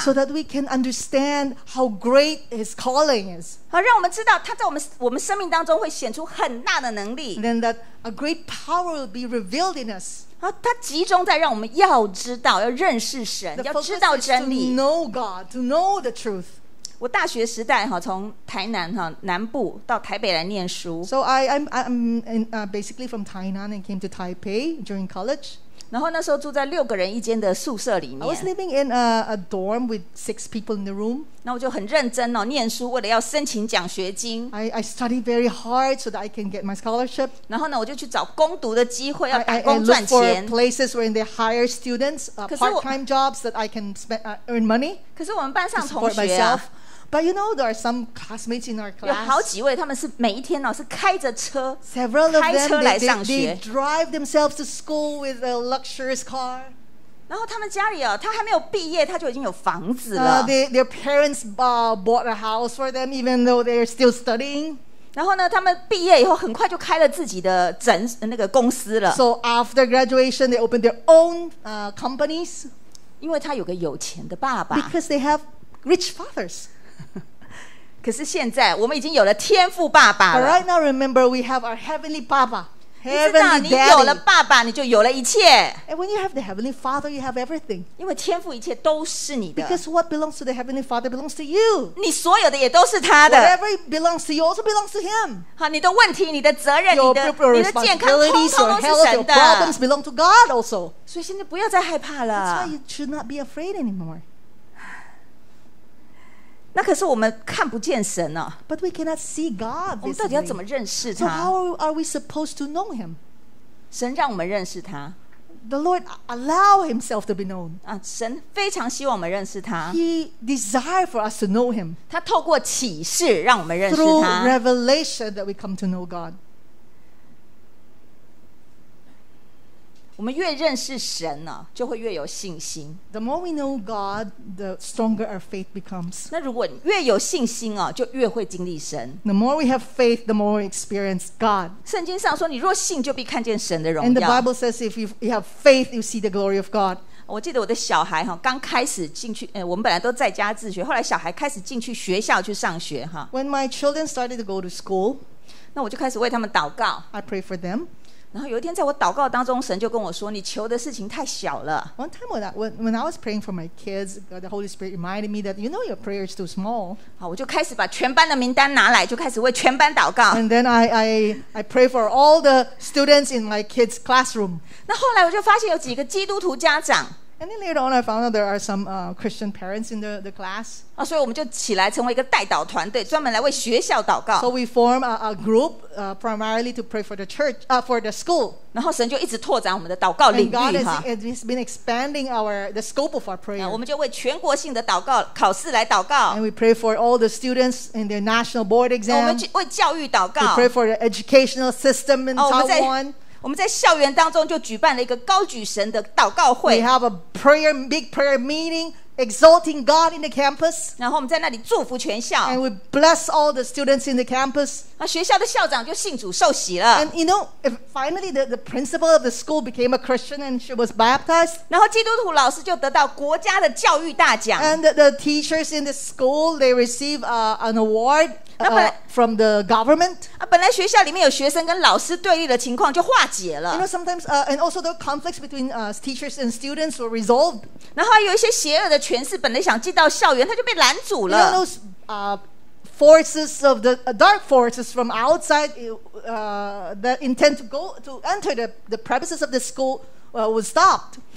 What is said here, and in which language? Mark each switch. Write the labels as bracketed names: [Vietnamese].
[English] So that we can understand how great his calling is. [Chinese] 好，让我们知道他在我们生命当中会显出很大的能力。 [English] And then that a great power will be revealed in us. [Chinese] 然后他集中在让我们要知道，要认识神，要知道真理。 [English] To know God, to know the truth. [Chinese] 我大学时代从台南南部到台北来念书 [English] So I'm in, basically from Tainan and came to Taipei during college [Chinese] 然后那时候住在六个人一间的宿舍里面 [English] I was living in a dorm with six people in the room [Chinese] 那我就很认真念书为了要申请奖学金 [English] I studied very hard so that I can get my scholarship [Chinese] 然后呢我就去找攻读的机会要打工赚钱 [English] I looked for places where they hire students part-time jobs that I can earn money [Chinese] 可是我们班上同学 [English] But you know, there are some classmates in our class. [Chinese] 有好几位，他们是每一天是开着车， [English] Several of them, [Chinese] 开车来上学。 [English] They drive themselves to school with a luxurious car. [Chinese] 然后他们家里他还没有毕业，他就已经有房子了。 [English] Their parents bought a house for them, even though they're still studying. [Chinese] 然后呢，他们毕业以后很快就开了自己的公司了。 [English] So after graduation, they opened their own companies. [Chinese] 因为他有个有钱的爸爸。 [English] Because they have rich fathers. [Chinese] 可是现在我们已经有了天父爸爸了。 [English] But right now, remember, we have our heavenly Papa. [Chinese] 你知道，你有了爸爸，你就有了一切。 [English] And when you have the heavenly Father, you have everything. [Chinese] 因为天父一切都是你的。 [English] Because what belongs to the heavenly Father belongs to you. [Chinese] 你所有的也都是他的。 [English] Whatever belongs to you also belongs to him. [Chinese] 好，你的问题、你的责任、你的健康，通通都是神的。 [English] Your health, your problems belong to God also. [Chinese] 所以现在不要再害怕了。 [English] That's why you should not be afraid anymore. [Chinese] 那可是我们看不见神啊 [English] But we cannot see God. [Chinese] 我们到底要怎么认识他 [English] So how are we supposed to know him? [Chinese] 神让我们认识他 [English] The Lord allow himself to be known. [Chinese] 神非常希望我们认识他 [English] He desire for us to know him. [Chinese] 他透过启示让我们认识他 [English] Through revelation that we come to know God. [Chinese] 我们越认识神就会越有信心 [English] The more we know God, the stronger our faith becomes [Chinese] 那如果越有信心就越会经历神 [English] The more we have faith, the more we experience God [Chinese] 圣经上说你若信就必看见神的荣耀 [English] And the Bible says if you have faith, you see the glory of God [Chinese] 我记得我的小孩刚开始进去我们本来都在家自学后来小孩开始进去学校去上学 [English] When my children started to go to school [Chinese] 那我就开始为他们祷告 [English] I pray for them [Chinese] 然后有一天在我祷告当中神就跟我说你求的事情太小了 [English] One time when I was praying for my kids the Holy Spirit reminded me that you know your prayer is too small [Chinese] 好我就开始把全班的名单拿来就开始为全班祷告 [English] And then I pray for all the students in my kids' classroom [Chinese] 那后来我就发现有几个基督徒家长 [English] And then later on, I found out there are some Christian parents in the class. [Chinese] 啊，所以我们就起来成为一个代祷团队，专门来为学校祷告。 [English] So we form a group primarily to pray for the church, for the school. [Chinese] 然后神就一直拓展我们的祷告领域。 [English] And God has been expanding the scope of our prayer. [Chinese] 我们就为全国性的祷告考试来祷告。 [English] And we pray for all the students in their national board exam. [Chinese] 我们为教育祷告。 [English] We pray for the educational system in Taiwan. [Chinese] 我们在校园当中就举办了一个高举神的祷告会。 [English] We have a prayer, big prayer meeting, exalting God in the campus. [Chinese] 然后我们在那里祝福全校。 [English] And we bless all the students in the campus. [Chinese] 那学校的校长就信主受洗了。 [English] And you know, finally the principal of the school became a Christian and she was baptized. [Chinese] 然后基督徒老师就得到国家的教育大奖。 [English] And the teachers in the school, they receive an award. From the government. [Chinese] 本来学校里面有学生跟老师对立的情况就化解了。 [English] You know, sometimes, and also the conflicts between teachers and students were resolved. [Chinese] 然后有一些邪恶的权势本来想进到校园，他就被拦阻了。 [English] You know, those forces of the dark forces from outside that intend to enter the premises of the school was stopped.